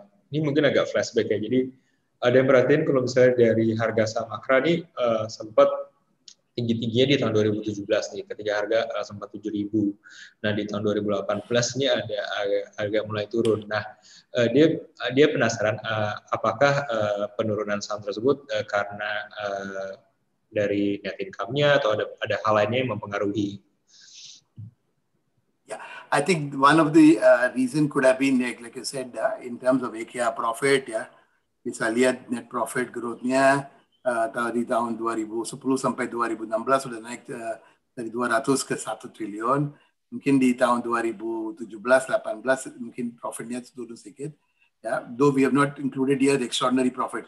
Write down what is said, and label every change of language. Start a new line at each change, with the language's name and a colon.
Indonesian: Ini mungkin agak flashback ya, jadi ada yang perhatiin kalau misalnya dari harga saham Akra ini sempat tinggi-tingginya di tahun 2017 nih, ketika harga sempat 7.000. Nah, di tahun 2018 ini ada harga mulai turun. Nah, dia penasaran apakah penurunan saham tersebut karena dari net income-nya atau ada hal lainnya yang mempengaruhi.
English: I think one of the reason could have been like I said in terms of AKR profit ya.
Indonesian: Bisa lihat net profit growth-nya di tahun 2010 sampai 2016 sudah naik dari 200 ke 1 triliun. Mungkin di tahun 2017-18 mungkin profit-nya turun sedikit.
English: Ya, though we have not included yet extraordinary profit.